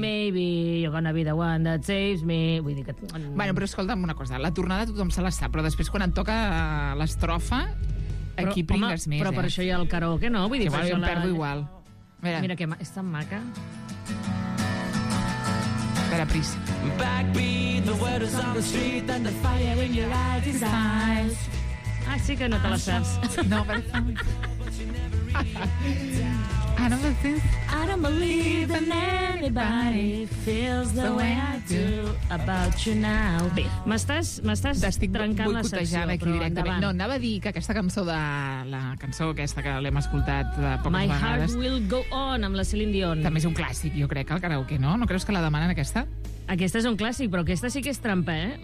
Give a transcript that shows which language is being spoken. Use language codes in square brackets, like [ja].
[en] maybe you're gonna be the one that saves me. [ca] Vull dir que... Bueno, però escolta'm una cosa. La tornada tothom se la sap, però després quan et toca l'estrofa, aquí pringues home, més, però per això hi ha el karaoke, no? Vull dir, igual, per jo em perdo igual. Mira. Mira que és tan maca. Espera, Pris. [en] Backbeat, the word is on the street, and the fire in your eyes is eyes. [ca] Ah, sí que no te la saps. No, perquè... [en] I don't believe... I don't believe that anybody feels the way I do about you now. [ca] Bé, m'estàs trencant la secció, però endavant. T'estic boicotejant aquí directament. No, anava a dir que aquesta cançó de... La cançó aquesta que l'hem escoltat de poques [en] My [ca] vegades... My Heart Will Go On, amb la Celine Dion. També és un clàssic, jo crec, el karaoke, no? No creus que la demanen, aquesta? Aquesta és un clàssic, però aquesta sí que és trampa, eh?